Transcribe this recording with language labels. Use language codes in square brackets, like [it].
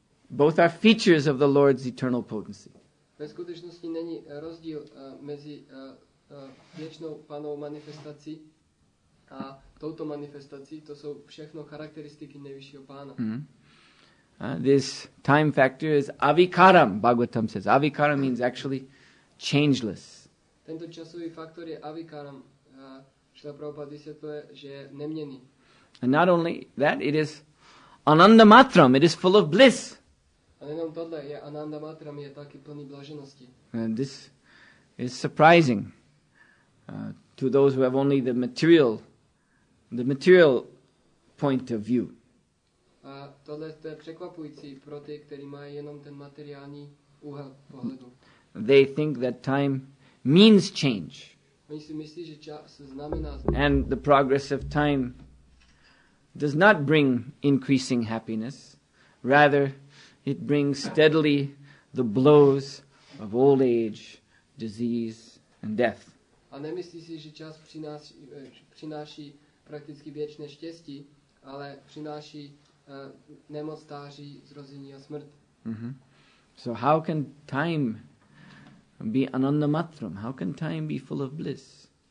[en] Both are features of the Lord's eternal potency. [cs] Ve skutečnosti není rozdíl mezi věčnou panovou manifestací a touto manifestací. To jsou všechno charakteristiky nejvyššího pána. [en] This time factor is avikaram, Bhagavatam says. Avikaram means actually changeless. [cs] Tento časový faktor je avikaram. Šla Prabhupada vysvětluje, že je neměnný. [en] And not only that, it is anandamatram, it is full of bliss. [cs] A nejenom tohle, je ananda matram, je taky plný blaženosti. [en] And this is surprising to those who have only the material point of view. [cs] A tohle je překvapující pro ty, kteří mají jenom ten materiální úhel pohledu. [en] They think that time means change. [cs] Oni si myslí, že čas znamená změnu. [en] And the progress of time does not bring increasing happiness. Rather, it brings steadily the blows of old age, disease, and death. [cs] A nemyslí si, že čas přináší prakticky věčné štěstí, ale přináší nemoc, stáří, zrození a smrt. [en] Mm-hmm. So how can time be anandamatram? How can time be full of bliss?